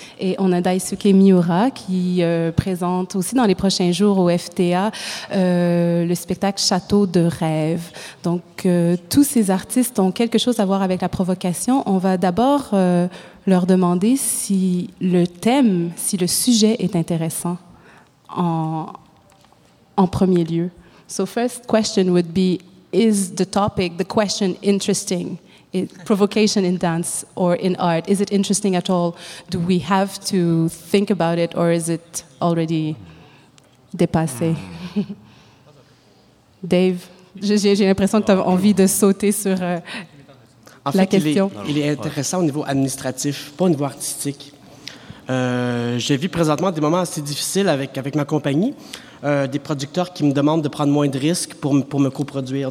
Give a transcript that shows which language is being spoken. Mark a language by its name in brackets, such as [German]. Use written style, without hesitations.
[French] Et on a Daisuke Miura qui présente aussi dans les prochains jours au FTA le spectacle Château de rêve. Donc, tous ces artistes ont quelque chose à voir avec la provocation. On va d'abord leur demander si le sujet est intéressant en premier lieu. [English] So first question would be, is the topic, the question interesting? Is provocation in dance or in art, is it interesting at all? Do we have to think about it or is it already dépassé? [French] Dave, j'ai l'impression que tu as envie de sauter sur... En fait, la question. Il est intéressant au niveau administratif, pas au niveau artistique. Je vis présentement des moments assez difficiles avec ma compagnie, des producteurs qui me demandent de prendre moins de risques pour me coproduire.